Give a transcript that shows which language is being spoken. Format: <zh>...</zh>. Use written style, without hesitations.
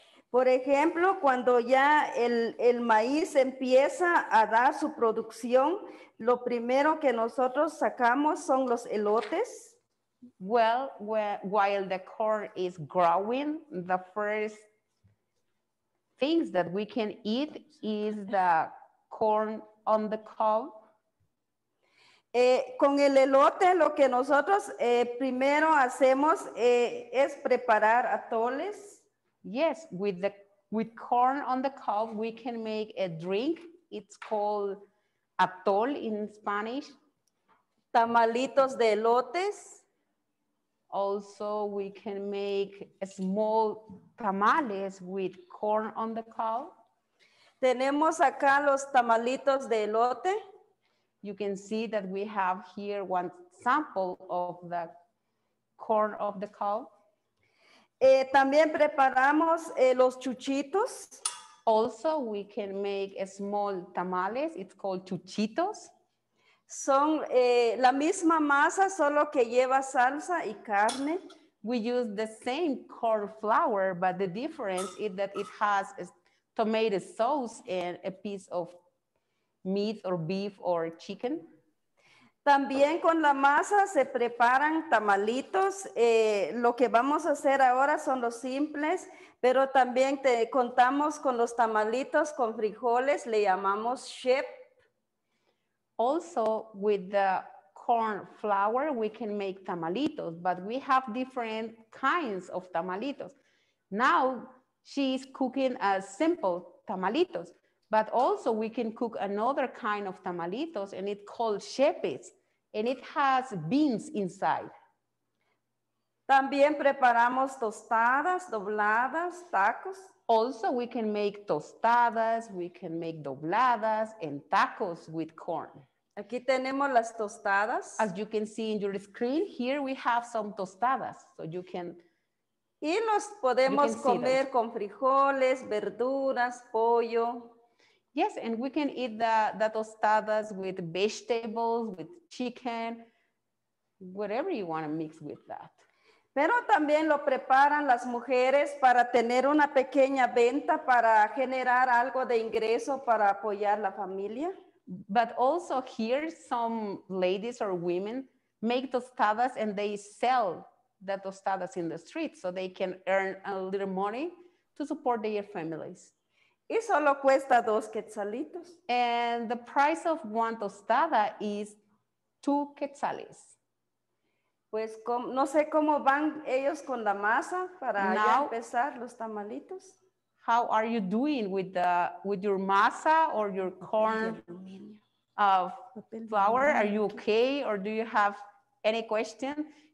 <es>Por ejemplo, cuando ya el maíz empieza a dar su producción, lo primero que nosotros sacamos son los elotes.</es> <en>Well, while the corn is growing, the first things that we can eat is the corn on the cob.</en> <es>Con el elote, lo que nosotros primero hacemos es preparar atoles.</es> <en>Yes, with corn on the cob, we can make a drink. It's called atol in Spanish.</en> <es>Tamalitos de elotes.</es> <en>Also, we can make small tamales with corn on the cob.</en> <es>Tenemos acá los tamalitos de elote.</es> <en>You can see that we have here one sample of the corn of the cob.</en> <es>También preparamos los chuchitos.</es> <en>Also, we can make a small tamales. It's called chuchitos.</en> <es>Son la misma masa, solo que lleva salsa y carne.</es> <en>We use the same corn flour, but the difference is that it has a tomato sauce and a piece of meat or beef or chicken.</en> <es>También con la masa se preparan tamalitos. Lo que vamos a hacer ahora son los simples, pero también contamos con los tamalitos con frijoles, le llamamos chip.</es> <en>Also, with the corn flour, we can make tamalitos, but we have different kinds of tamalitos. Now, she is cooking a simple tamalitos. But also we can cook another kind of tamalitos and it's called chepes and it has beans inside.</en> <es>También preparamos tostadas, dobladas, tacos.</es> <en>Also we can make tostadas, we can make dobladas and tacos with corn.</en> <es>Aquí tenemos las tostadas.</es> <en>As you can see in your screen, here we have some tostadas so you can.</en> <es>Y los podemos comer con frijoles, verduras, pollo.</es> <en>Yes, and we can eat the tostadas with vegetables, with chicken, whatever you want to mix with that.</en> <es>Pero también lo preparan las mujeres para tener una pequeña venta para generar algo de ingreso para apoyar la familia.</es> <en>But also here some ladies or women make tostadas and they sell the tostadas in the street so they can earn a little money to support their families.</en> <es>Y solo cuesta dos quetzalitos.</es> <en>And the price of one tostada is 2 quetzales.</en> <es>Pues no sé cómo van ellos con la masa para now, ya empezar los tamalitos.</es> <en>How are you doing with your masa or your corn of flour? Are you okay or do you have any question?</en>